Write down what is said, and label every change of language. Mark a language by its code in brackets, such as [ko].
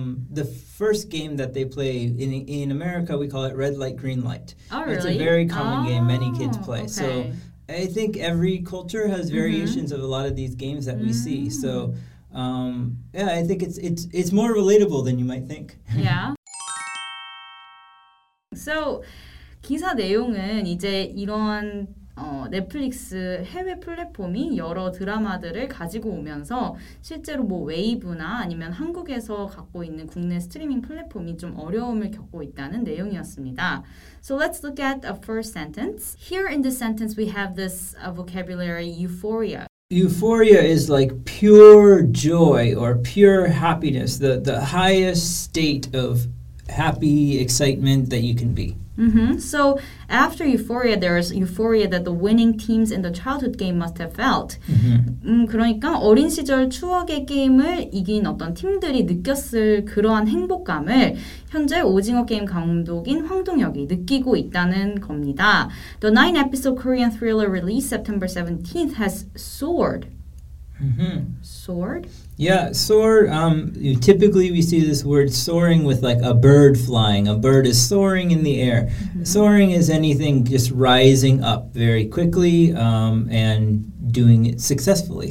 [en] The first game that they play in America, we call it Red Light, Green Light. Oh, really? It's a very common game many kids play. So I think every culture has variations of a lot of these games that we see. So yeah, I think it's more relatable than you might think. Yeah. [ko] So 기사 내용은 이제 이런 넷플릭스 해외 플랫폼이 여러 드라마들을 가지고 오면서 실제로 뭐 웨이브나 아니면 한국에서 갖고 있는 국내 스트리밍 플랫폼이 좀 어려움을 겪고 있다는 내용이었습니다. [en] So let's look at a first sentence. Here in the sentence we have this vocabulary euphoria. Euphoria is like pure joy or pure happiness, the highest state of happy excitement that you can be. Mm-hmm. So after euphoria, there is euphoria that the winning teams in the childhood game must have felt. [ko] 그러니까 어린 시절 추억의 게임을 이긴 어떤 팀들이 느꼈을 그러한 행복감을 현재 오징어 게임 감독인 황동혁이 느끼고 있다는 겁니다. [en] The 9-episode Korean thriller released September 17th has soared. Soared? Yeah, soar. Typically, we see this word soaring with like a bird flying. A bird is soaring in the air. Soaring is anything just rising up very quickly and doing it successfully.